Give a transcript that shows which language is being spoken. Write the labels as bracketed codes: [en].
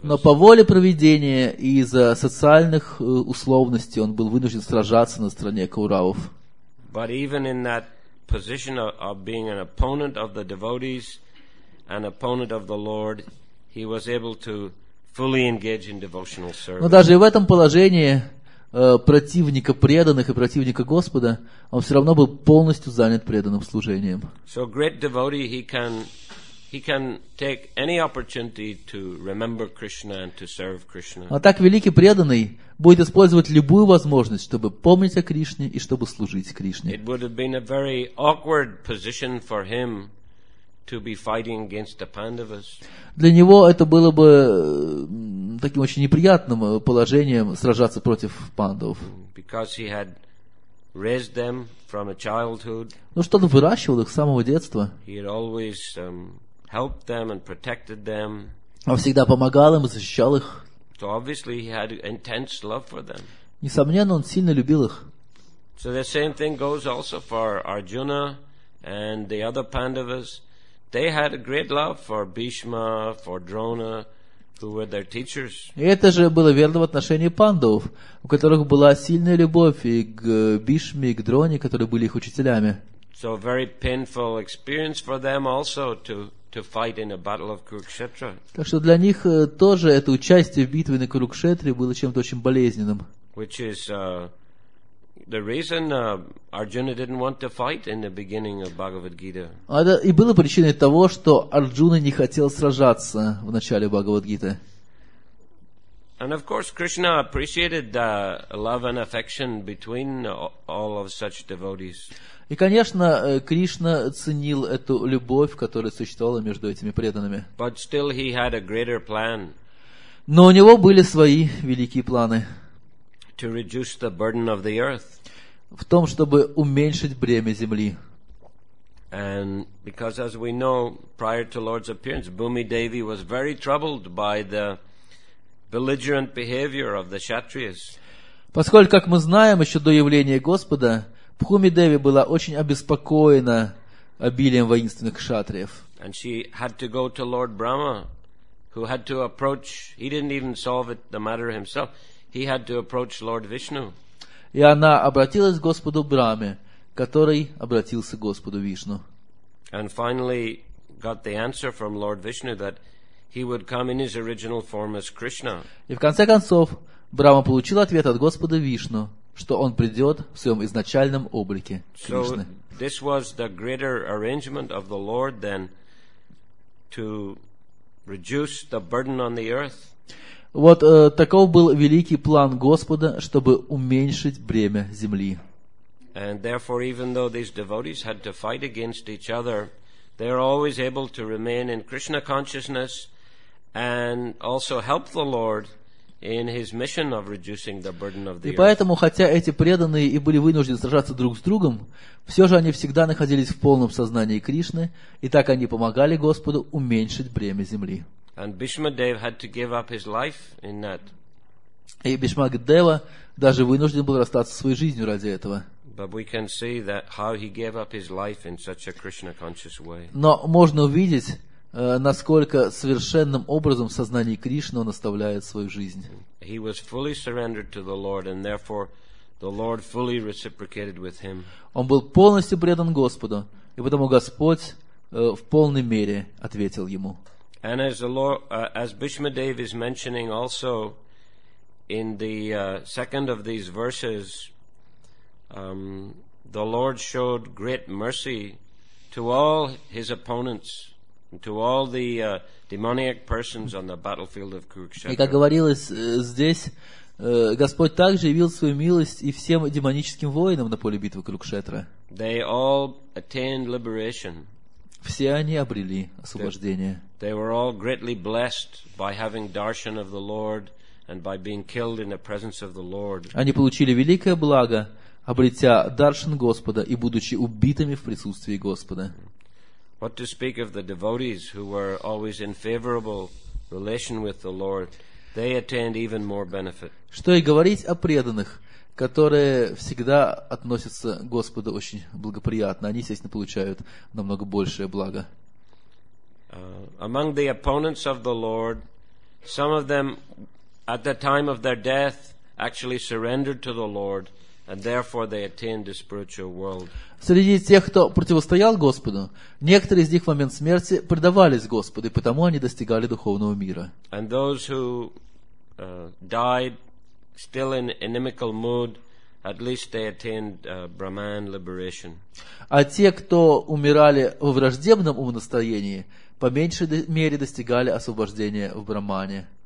[ru] Но по воле проведения и из-за социальных условностей он был вынужден сражаться на стороне Кауравов. [en] But even in that position of being an opponent of the devotees, an opponent of the Lord, he was able to fully engage in devotional service. [ru] Но даже в этом положении противника преданных и противника Господа, он все равно был полностью занят преданным служением. [en] So great devotee, he can take any opportunity to remember Krishna and to serve Krishna. [ru] А так великий преданный будет использовать любую возможность, чтобы помнить о Кришне и чтобы служить Кришне. [en] It would have been a very awkward position for him to be fighting against the Pandavas. [ru] Для него это было бы таким очень неприятным положением сражаться против пандов. [en] Because he had raised them from a childhood. [ru] Ну что он выращивал их с самого детства. [en] He had always helped them and protected them. [ru] Он всегда помогал им и защищал их. [en] So obviously he had intense love for them. [ru] Несомненно, он сильно любил их. [en] So the same thing goes also for Arjuna and the other Pandavas. They had a great love for Bhishma, for Drona, who were their teachers. [ru] И это же было верно в отношении пандов, у которых была сильная любовь и к Бишме, и к Дроне, которые были их учителями. [en] So a very painful experience for them also to fight in a battle of Kurukshetra. [ru] Так что для них тоже это участие в битве на Курукшетре было чем-то очень болезненным. [en] Which is the reason Arjuna didn't want to fight in the beginning of Bhagavad Gita. [ru] Это и было причиной того, что Арджуна не хотел сражаться в начале Бхагавад Гиты. [en] And of course, Krishna appreciated the love and affection between all of such devotees. [ru] И, конечно, Кришна ценил эту любовь, которая существовала между этими преданными. [en] But still he had a greater plan. [ru] Но у него были свои великие планы. [en] To reduce the burden of the earth. [ru] В том, чтобы уменьшить бремя земли. [en] And because, as we know, prior to Lord's appearance, Bhumi Devi was very troubled by the belligerent behavior of the Kshatriyas. [ru] Поскольку, как мы знаем, еще до явления Господа, Бхуми Деви была очень обеспокоена обилием воинственных кшатриев. [en] And she had to go to Lord Brahma, who had to approach. He didn't even solve it, the matter himself. He had to approach Lord Vishnu. [ru] И она обратилась к Господу Браме, который обратился к Господу Вишну. [en] And finally got the answer from Lord Vishnu that he would come in his original form as Krishna. [ru] И в конце концов Брама получил ответ от Господа Вишну, что он придет в своем изначальном облике Кришны. [en] So this was the greater arrangement of the Lord than to reduce the burden on the earth. [ru] Вот таков был великий план Господа, чтобы уменьшить бремя земли. [en] And therefore, even though these devotees had to fight against each other, they are always able to remain in Krishna consciousness and also help the Lord in his mission of reducing the burden of the earth. [ru] И поэтому, хотя эти преданные и были вынуждены сражаться друг с другом, все же они всегда находились в полном сознании Кришны, и так они помогали Господу уменьшить бремя земли. [en] And Bhishma Dev had to give up his life in that. [ru] И Бхишма Дева даже вынужден был расстаться своей жизнью ради этого. [en] But we can see that how he gave up his life in such a Krishna conscious way. [ru] Но можно увидеть, насколько совершенным образом в сознании Кришны он оставляет свою жизнь. [en] He was fully surrendered to the Lord, and therefore the Lord fully reciprocated with him. [ru] Он был полностью предан Господу, и потому Господь в полной мере ответил ему. [en] And as the Lord, as Bhishma Dev is mentioning also in the second of these verses, the Lord showed great mercy to all his opponents. To all the demoniac persons on the battlefield of Kurukshetra. [ru] И как говорилось здесь, Господь также явил свою милость и всем демоническим воинам на поле битвы Курукшетра. [en] They all attained liberation. [ru] Все они обрели освобождение. [en] They were all greatly blessed by having darshan of the Lord and by being killed in the presence of the Lord. [ru] Они получили великое благо, обретя даршан Господа и будучи убитыми в присутствии Господа. [en] What to speak of the devotees who were always in favorable relation with the Lord, they attained even more benefit. [ru] Что и говорить о преданных, которые всегда относятся к Господу очень благоприятно, они, естественно, получают намного большее благо. [en] Among the opponents of the Lord, some of them at the time of their death actually surrendered to the Lord, and therefore they attained the spiritual world. [ru] Среди тех, кто противостоял Господу, некоторые из них в момент смерти предавались Господу, и потому они достигали духовного мира. [en] And those who died still in inimical mood, at least they attained Brahman liberation. [ru] А те, кто умирали во враждебном умонастроении, по меньшей мере достигали освобождения в Брахмане.